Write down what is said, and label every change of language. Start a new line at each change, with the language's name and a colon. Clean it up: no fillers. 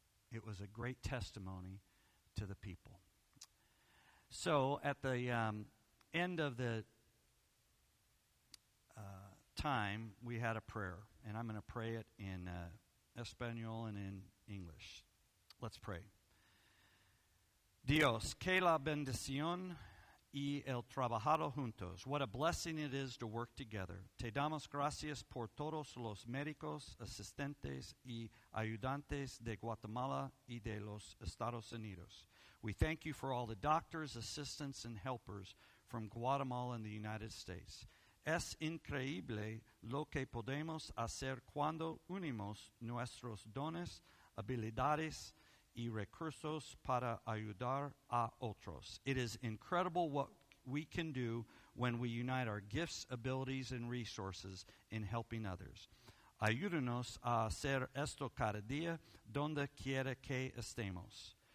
English: It was a great testimony to the people. So at the end of the time, we had a prayer. And I'm going to pray it in Espanol and in English. Let's pray.
Spanish: Dios, que la bendición y el trabajado juntos.
English: What a blessing it is to work together.
Spanish: Te damos gracias por todos los médicos, asistentes y ayudantes de Guatemala y de los Estados Unidos.
English: We thank you for all the doctors, assistants, and helpers from Guatemala and the United States.
Spanish: Es increíble lo que podemos hacer cuando unimos nuestros dones, habilidades, y recursos para ayudar a otros.
English: It is incredible what we can do when we unite our gifts, abilities, and resources in helping others.
Spanish: Ayúdanos a hacer esto cada día donde quiera que estemos.